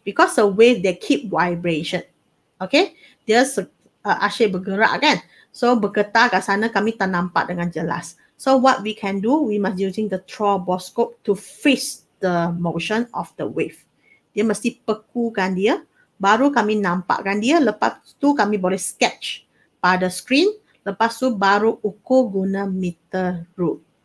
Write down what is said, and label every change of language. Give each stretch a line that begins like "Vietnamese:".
English: Because the wave, they keep vibration.
Malay: Okay. Dia asyik bergerak kan. So bergetar kat sana kami tak nampak dengan jelas.
English: So what we can do, we must using the stroboscope to freeze the motion of the wave.
Malay: Dia mesti pekukan dia. Baru kami nampakkan dia, lepas tu kami boleh sketch pada screen, lepas tu baru ukur guna meter rule.